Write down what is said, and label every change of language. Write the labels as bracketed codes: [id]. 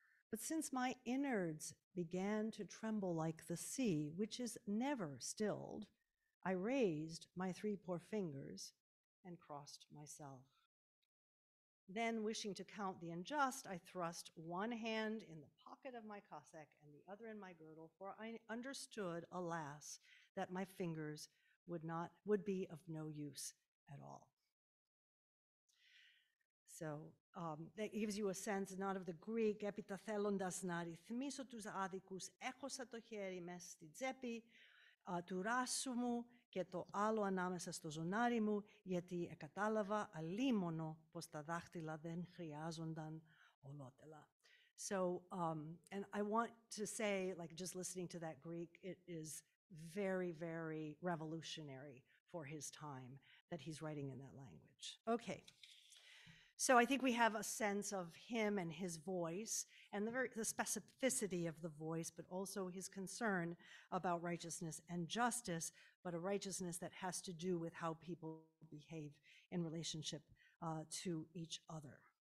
[en] But since my innards began to tremble like the sea, which is never stilled, I raised my three poor fingers and crossed myself. Then, wishing to count the unjust, I thrust one hand in the pocket of my cassock and the other in my girdle, for I understood, alas, that my fingers would be of no use at all. So that gives you a sense, not of the Greek, [el] «Έπειτα θέλοντας να ρυθμίσω τους άδικους, έχωσα το χέρι μέσα στη τσέπη του ράσου μου και το άλλο ανάμεσα στο ζωνάρι μου, γιατί κατάλαβα αλίμονο πως τα δάχτυλα δεν χρειάζονταν ολότελα». [en] So, and I want to say, like just listening to that Greek, it is very, very revolutionary for his time that he's writing in that language. Okay. So I think we have a sense of him and his voice and the specificity of the voice, but also his concern about righteousness and justice, but a righteousness that has to do with how people behave in relationship to each other.